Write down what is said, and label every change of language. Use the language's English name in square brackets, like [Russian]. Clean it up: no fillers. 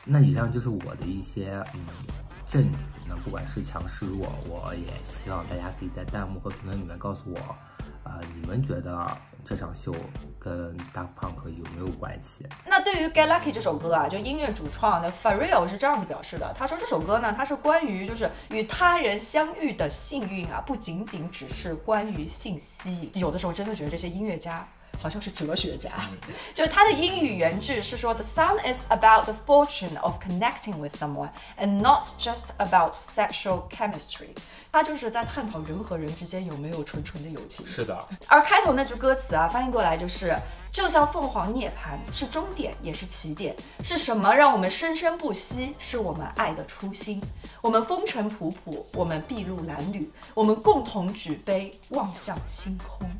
[Chinese] 那以上就是我的一些证据，那不管是强是弱，我也希望大家可以在弹幕和评论里面告诉我，你们觉得这场秀跟 Daft Punk 有没有关系。那对于 Get Lucky 这首歌啊，就音乐主创的 Pharrell 是这样子表示的，他说这首歌呢它是关于就是与他人相遇的幸运啊，不仅仅只是关于信息。有的时候真的觉得这些音乐家好像是哲学家，就他的英语原句是说 [English] The song is about the fortune of connecting with someone and not just about sexual chemistry。 [Chinese] 他就是在探讨人和人之间有没有纯纯的友情。是的。而开头那句歌词啊，翻译过来就是就像凤凰涅槃，是终点也是起点，是什么让我们生生不息，是我们爱的初心。我们风尘仆仆，我们筚路蓝缕，我们共同举杯望向星空。